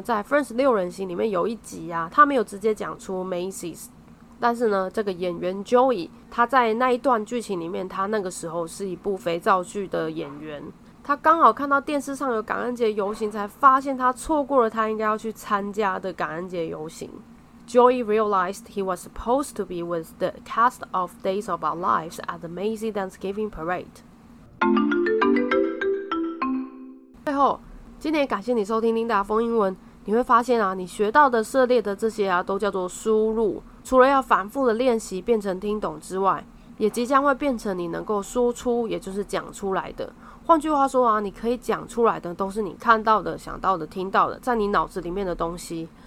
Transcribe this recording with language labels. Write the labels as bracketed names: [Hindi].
[Chinese] 在 Friends 六人行里面有一集啊，他没有直接讲出 Macy's， 但是呢，这个演员 Joey 他在那一段剧情里面，他那个时候是一部肥皂剧的演员，他刚好看到电视上有感恩节游行，才发现他错过了他应该要去参加的感恩节游行。 [English] Joey realized he was supposed to be with the cast of Days of Our Lives at the Macy's Thanksgiving Parade. [Chinese] 最后，今天感谢你收听琳达风英文。你会发现啊，你学到的涉猎的这些啊，都叫做输入。除了要反复的练习变成听懂之外，也即将会变成你能够输出，也就是讲出来的。换句话说啊，你可以讲出来的都是你看到的、想到的、听到的，在你脑子里面的东西。